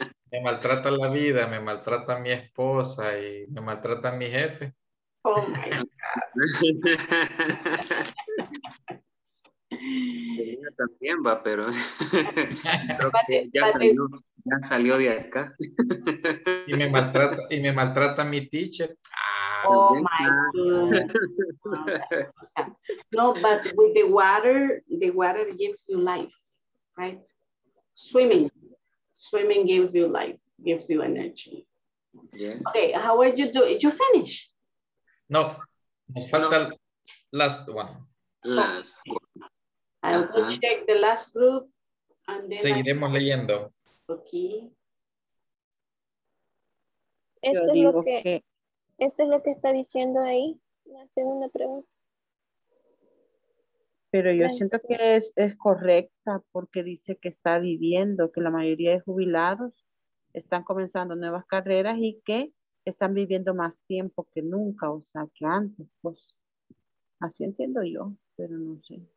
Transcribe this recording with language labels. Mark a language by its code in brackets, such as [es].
[es] Me maltrata la vida, me maltrata mi esposa y me maltrata mi jefe. [en] Oh my God. [es] Yo también va, pero creo que ya salió de acá. Y me maltrata mi teacher. [en] Oh my God. No, but with the water gives you life, right? Swimming gives you life, gives you energy. Yes. Okay, how are you doing? You finish? [es] No, nos falta [en] last one. Last one. I'll go check the last group and then [es] seguiremos leyendo. Aquí. Eso es lo que eso es lo que está diciendo ahí, la segunda pregunta. Pero yo siento que es correcta porque dice que está viviendo, que la mayoría de jubilados están comenzando nuevas carreras y que están viviendo más tiempo que nunca, o sea, que antes, pues, así entiendo yo, pero no sé.